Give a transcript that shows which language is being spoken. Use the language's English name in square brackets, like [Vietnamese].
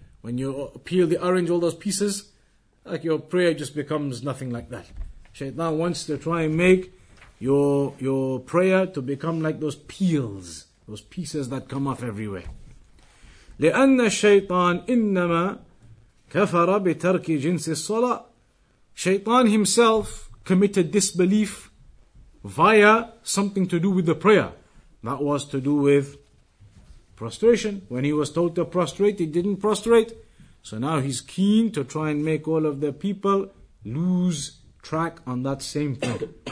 [English] When you peel the orange, all those pieces, like your prayer just becomes nothing like that. Shaytan wants to try and make your prayer to become like those peels, those pieces that come off everywhere. [Arabic] لأن الشيطان إنما كفر بترك جنس الصلاة. [English] Shaitan himself committed disbelief via something to do with the prayer. That was to do with prostration. When he was told to prostrate, he didn't prostrate. So now he's keen to try and make all of the people lose track on that same thing.